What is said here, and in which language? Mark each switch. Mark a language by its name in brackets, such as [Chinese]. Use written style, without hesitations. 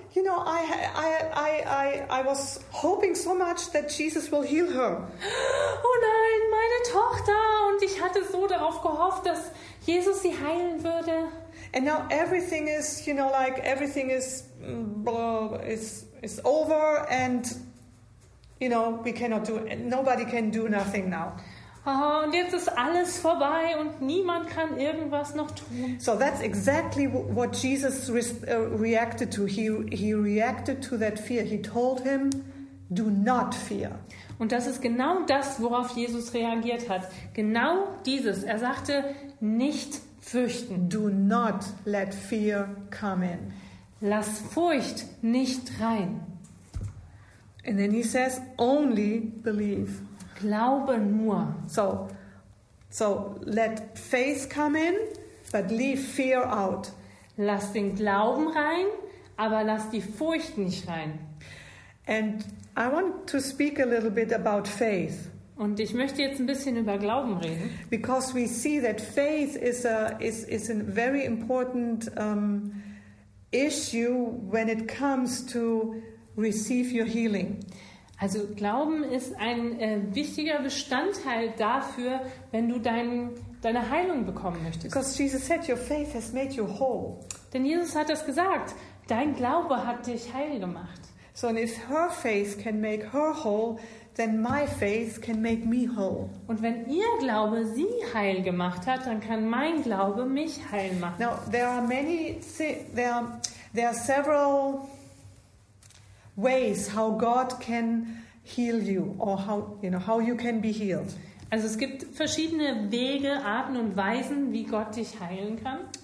[English] You know, I was hoping so much that Jesus will heal her. [German] Oh nein, meine Tochter. Und ich hatte so darauf gehofft, dass Jesus sie heilen würde. [English] And now everything is, you know, like, everything is, blah, it's over and, you know, we cannot do it. Nobody can do nothing now. [German] Oh, und jetzt ist alles vorbei und niemand kann irgendwas noch tun. [English] So that's exactly what Jesus reacted to. He reacted to that fear. He told him, do not fear. [German] Und das ist genau das, worauf Jesus reagiert hat. Genau dieses. Er sagte, nicht fürchten. [English] Do not let fear come in. [German] Lass Furcht nicht rein. [English] And then he says, only believe. [German] Glaube nur. [English] So let faith come in, but leave fear out. [German] Lass den Glauben rein, aber lass die Furcht nicht rein. [English] And I want to speak a little bit about faith. [German] Und ich möchte jetzt ein bisschen über Glauben reden. [English] Because we see that faith is a very important issue when it comes to receive your healing. [German] Also Glauben ist ein wichtiger Bestandteil dafür, wenn du deine Heilung bekommen möchtest. [English] Because Jesus said, your faith has made you whole. [German] Denn Jesus hat das gesagt, dein Glaube hat dich heil gemacht. [English] So and if her faith can make her whole, then my faith can make me whole. [German] Und wenn ihr Glaube sie heil gemacht hat, dann kann mein Glaube mich heil machen. [English] Now there are several ways how God can heal you or how you can be healed. [German] Also es gibt verschiedene Wege, Arten und Weisen, wie Gott dich heilen kann.